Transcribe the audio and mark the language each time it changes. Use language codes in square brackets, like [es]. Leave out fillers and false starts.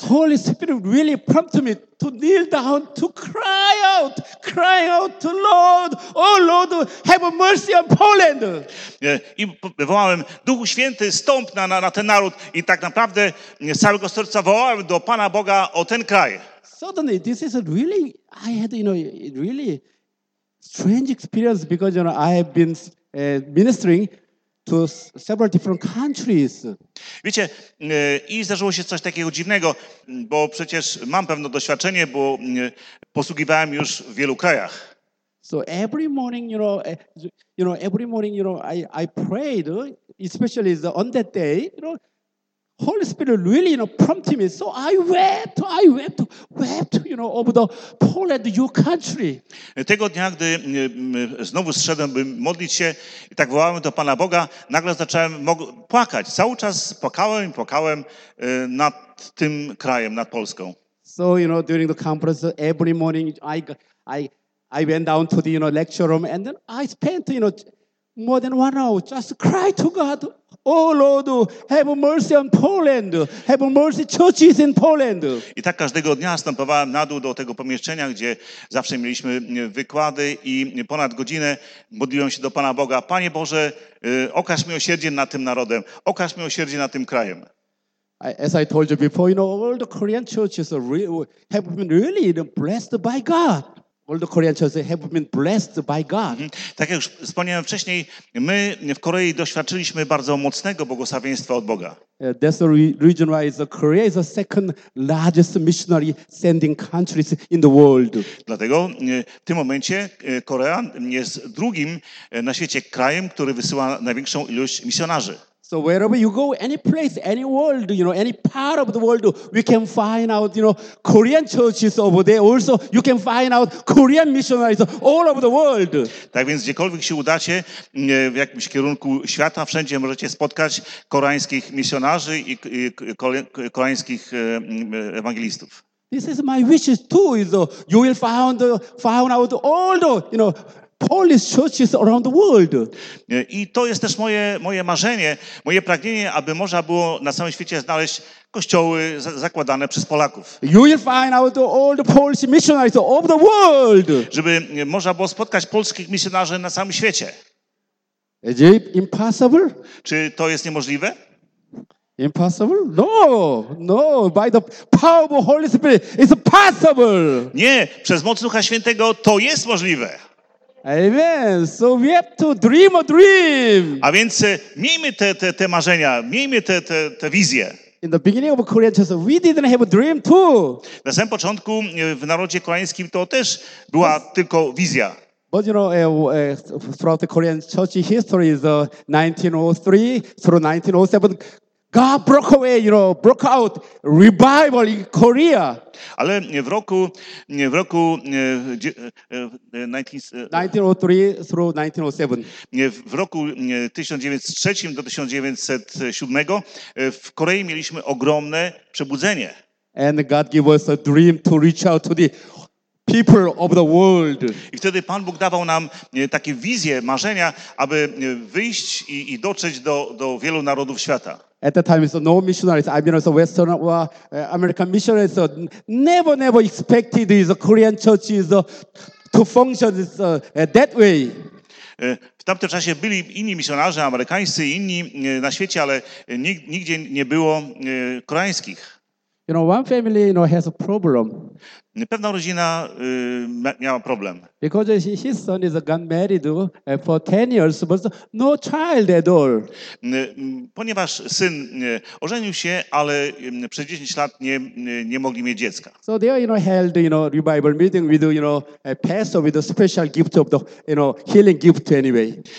[en] Holy Spirit really prompted me to kneel down, to cry out to Lord, oh Lord, have mercy on Poland. [pl] I wołałem, Duchu Święty, stąp na ten naród i tak naprawdę z całego serca wołałem do Pana Boga o ten kraj. [en] Suddenly, this is a really, I had, you know, really strange experience because, you know, I have been ministering to several different countries. [pl] Wiecie, i zdarzyło się coś takiego dziwnego, bo przecież mam pewne doświadczenie, bo posługiwałem już w wielu krajach. [en] So every morning, you know, every morning, you know, I prayed, especially on that day, you know, Holy Spirit really, you know, prompted me. So I wept, you know, over the Poland, your country. [pl] Tego dnia, gdy znowu zszedłem, by modlić się, i tak wołałem do Pana Boga, nagle zacząłem płakać. Cały czas płakałem i płakałem nad tym krajem, nad Polską. [en] So, you know, during the conference, every morning, I went down to the, you know, lecture room, and then I spent, you know, more than 1 hour just cry to God. Oh Lord, have mercy on Poland. Have mercy churches in Poland. [pl] I tak każdego dnia stąpowałem na dół do tego pomieszczenia, gdzie zawsze mieliśmy wykłady, i ponad godzinę modliłem się do Pana Boga. Panie Boże, okaż mi osierdzie nad tym narodem. Okaż mi osierdzie nad tym krajem. [en] As I told you before, you know, all the Korean churches have been really blessed by God. All the Korean churches have been blessed by God. [pl] Tak jak już wspomniałem wcześniej, my w Korei doświadczyliśmy bardzo mocnego błogosławieństwa od Boga. [en] That's the reason why Korea is the second largest missionary sending countries in the world. [pl] Dlatego w tym momencie Korea jest drugim na świecie krajem, który wysyła największą ilość misjonarzy. [en] So wherever you go, any place, any world, you know, any part of the world, we can find out, you know, Korean churches over there. Also, you can find out Korean missionaries all over the world. [pl] Tak więc gdziekolwiek się udacie, w jakimś kierunku świata, wszędzie możecie spotkać koreańskich misjonarzy i koreańskich ewangelistów. [en] This is my wish too, is you will found out all the, you know, Polish churches around the world. [pl] I to jest też moje marzenie, moje pragnienie, aby można było na całym świecie znaleźć kościoły zakładane przez Polaków. [en] You will find out all the Polish missionaries of the world. [pl] Żeby można było spotkać polskich misjonarzy na całym świecie. [en] Is it impossible? [pl] Czy to jest niemożliwe? [en] Impossible? No, by the power of the Holy Spirit it's possible. [pl] Nie, przez moc Ducha Świętego to jest możliwe. [en] Amen. So we have to dream a dream. [pl] A więc miejmy te marzenia, miejmy te wizje. [en] In the beginning of Korean church, we didn't have a dream too. [pl] Na samym początku w narodzie koreańskim to też była tylko wizja. [en] But you know, throughout the Korean church history, is 1903 through 1907. God broke away, you know, broke out revival in Korea. [pl] Ale w roku [en] 1903 through 1907. [pl] W roku 1903 do 1907 w Korei mieliśmy ogromne przebudzenie. [en] And God gave us a dream to reach out to the people of the world. [pl] I wtedy Pan Bóg dawał nam takie wizje, marzenia, aby wyjść i dotrzeć do wielu narodów świata. [en] At that time, so no missionaries. I mean, so Western American missionaries so never expected the Korean churches to function that way. [pl] W tamtym czasie byli inni misjonarze, amerykańscy, inni na świecie, ale nigdzie nie było koreańskich. [en] You know, one family, you know, has a problem. [pl] Pewna rodzina miała problem. [en] Because his son is got married for 10 years, but no child at all. [pl] Ponieważ syn ożenił się, ale przez 10 lat nie mogli mieć dziecka. [en] So they, you know, held, you know, revival meeting with, you know, a pastor with a special gift of the, you know, healing gift anyway.